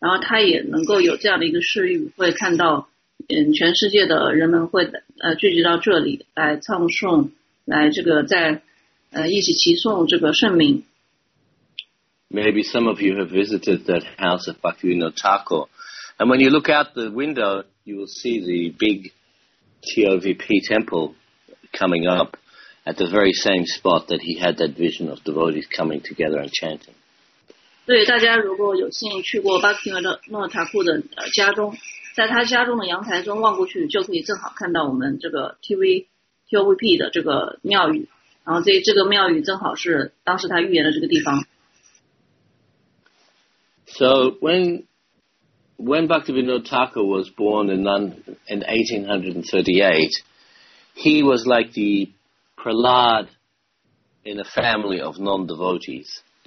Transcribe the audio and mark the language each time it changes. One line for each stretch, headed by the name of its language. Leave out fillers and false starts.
Chinese: 有一次呢，他从自己家里面的这个窗户沿着这个河望过去，看到了这个主Chaitanya的出生地，然后他也能够有这样的一个视域，会看到。全世界的人们会聚集到这里来唱诵，来这个在一起齐诵这个圣名。
English: Maybe some of you have visited that house of Bhaktivinoda Thakur, and when you look out the window, you will see the big TOVP temple coming up at the very same spot that he had that vision of devotees coming together and chanting.
Chinese: 对，大家如果有幸去过巴基诺塔库的家中。在他家中的阳台中望过去，就可以正好看到我们这个TOVP的这个庙宇， 然后这个庙宇正好是当时他预言的这个地方。
English: So when Bhaktivinoda Thakur was born in 1838, he was like the Prahlad in a family of non-devotees.